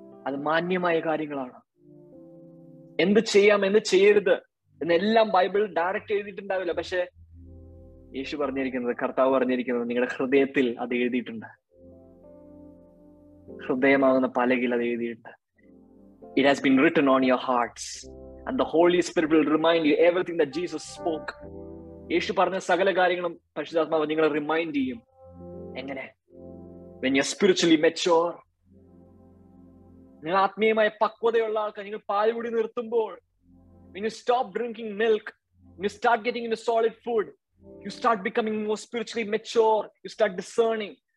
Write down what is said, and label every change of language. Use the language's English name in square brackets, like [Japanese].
[Malayalam] അത് മാന്യമായ കാര്യങ്ങളാണ് എന്ത് ചെയ്യാം എന്ത് ചെയ്യരുത് എന്നെല്ലാം ബൈബിൾ ഡയറക്റ്റ് എഴുതിയിട്ടുണ്ടാവില്ല പക്ഷെ യേശു പറഞ്ഞിരിക്കുന്നത് കർത്താവ് പറഞ്ഞിരിക്കുന്നത് നിങ്ങളുടെ ഹൃദയത്തിൽ അത് എഴുതിയിട്ടുണ്ട് ഹൃദയമാകുന്ന പലകിൽ അത് എഴുതിയിട്ടുണ്ട് [English] It has been written on your hearts And the Holy Spirit will remind you everything that Jesus spoke. [Malayalam] യേശു പറഞ്ഞ സകല കാര്യങ്ങളും പരിശുദ്ധാത്മാവ് നിങ്ങളെ റിമൈൻഡ് ചെയ്യും. എങ്ങനെ? [English] When you're spiritually mature, [Malayalam] നിങ്ങൾ ആത്മീയമായ പക്വതയുള്ള ആൾക്കാർ, നിങ്ങൾ പാൽ കുടി നിർത്തുമ്പോൾ, [English] when you stop drinking milk, when you start getting into solid food, you start becoming more spiritually mature, you start discerning.